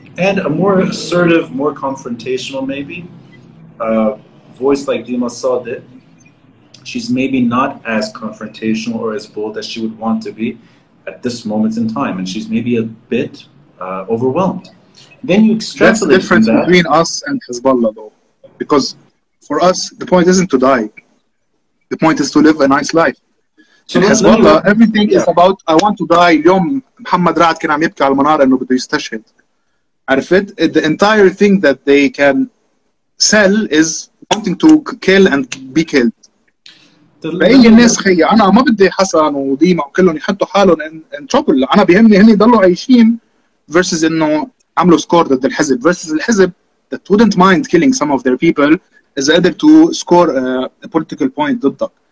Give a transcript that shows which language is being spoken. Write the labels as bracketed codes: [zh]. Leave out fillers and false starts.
[en] And a more assertive, more confrontational, maybe, voice like Dilma Sadiq, she's maybe not as confrontational or as bold as she would want to be at this moment in time, and she's maybe a bit overwhelmed. Then you extrapolate that's the difference that. Between us and Hezbollah, though, because for us the point isn't to die; the point is to live a nice life. So Hezbollah, everything is about I want to die. [ar] اليوم محمد رعد كان عم يبكي على المنارة إنه بده يستشهد. عرفت? [en] The entire thing that they can sell is wanting to kill and be killed. [ar] بأي الناس خي أنا ما بدي حسن وديما وكلهم يحطوا حالهم [en] in trouble. [ar] أنا بيهمني هني يضلوا عايشين [en] versus [ar] إنه عملوا [en] score [ar] ضد الحزب [en] versus [ar] الحزب [en] that wouldn't mind killing some of their people is able to score a political point [ar] ضدك.